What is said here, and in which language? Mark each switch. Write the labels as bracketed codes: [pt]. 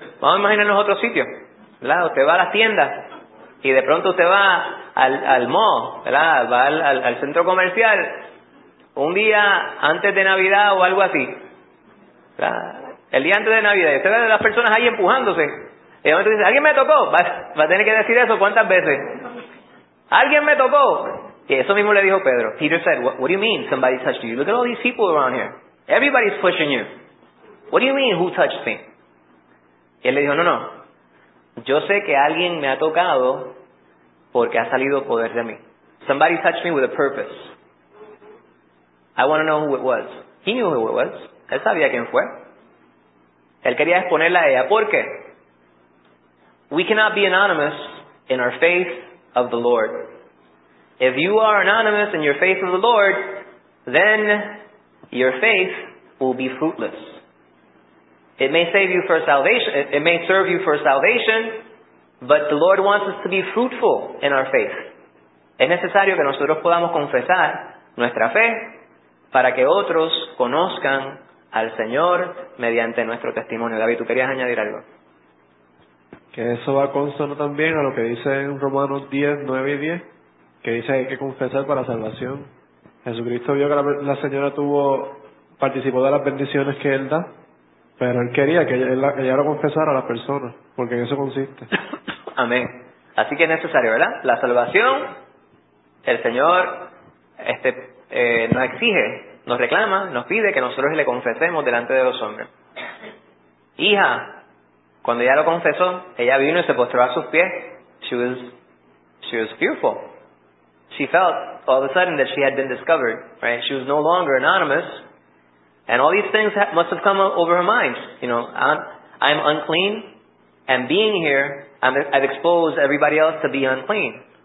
[es] Vamos a imaginarnos otro sitio, ¿verdad? Usted va a las tiendas y de pronto usted va al mall, ¿verdad? Va al centro comercial un día antes de Navidad o algo así, ¿verdad? El día antes de Navidad, y usted ve a las personas ahí empujándose. Y de momento dice, ¿alguien me tocó? Va a tener que decir eso cuántas veces. ¿Alguien me tocó? Y eso mismo le dijo Pedro. [en] Peter said, what do you mean somebody touched you? Look at all these people around here. Everybody's pushing you. What do you mean who touched me? [es] Y él le dijo, no. Yo sé que alguien me ha tocado porque ha salido poder de mí. [en] Somebody touched me with a purpose. I want to know who it was. He knew who it was. [es] Él sabía quién fue. Él quería exponerla a ella. ¿Por qué? [en] We cannot be anonymous in our faith of the Lord. If you are anonymous in your faith of the Lord, then your faith will be fruitless. It may save you for salvation, it may serve you for salvation, but the Lord wants us to be fruitful in our faith. [es] Es necesario que nosotros podamos confesar nuestra fe para que otros conozcan al Señor mediante nuestro testimonio. David, ¿tú querías añadir algo? Que eso va consono también a lo que dice en Romanos 10, 9 y 10, que dice que hay que confesar para salvación. Jesucristo vio que la señora participó de las bendiciones que él da, pero él quería que ella lo confesara a las personas, porque en eso consiste. Amén. Así que es necesario, ¿verdad? La salvación, el Señor nos exige, nos reclama, nos pide que nosotros le confesemos delante de los hombres. Hija, cuando ella lo confesó, ella vino y se postró a sus pies. [en] She was fearful. She felt all of a sudden that she had been discovered, right? She was no longer anonymous. And all these things must have come over her mind. You know, I'm unclean. And being here, I've exposed everybody else to be unclean.